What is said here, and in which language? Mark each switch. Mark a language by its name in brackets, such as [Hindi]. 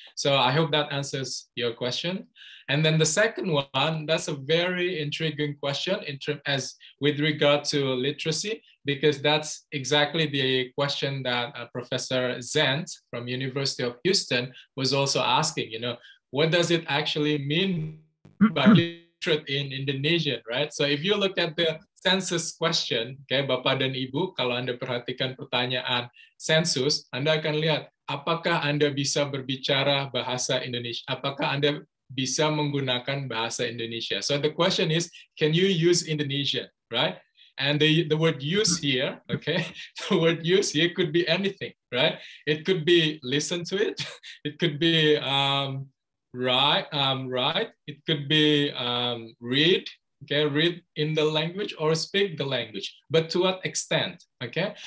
[English] So I hope that answers your question. And then the second one, that's a very intriguing question as with regard to literacy, because that's exactly the question that Professor Zent from University of Houston was also asking, you know, what does it actually mean by literate in Indonesian, right? So if you look at the census question, okay, [Indonesian] Bapak dan Ibu, kalau Anda perhatikan pertanyaan census, Anda akan lihat apakah Anda bisa berbicara bahasa Indonesia, apakah Anda bisa menggunakan bahasa Indonesia. [English] So the question is, can you use Indonesian, right? And the word use here, okay, the word use here could be anything, right? It could be listen to it, it could be write, it could be read in the language or speak the language, but to what extent, okay?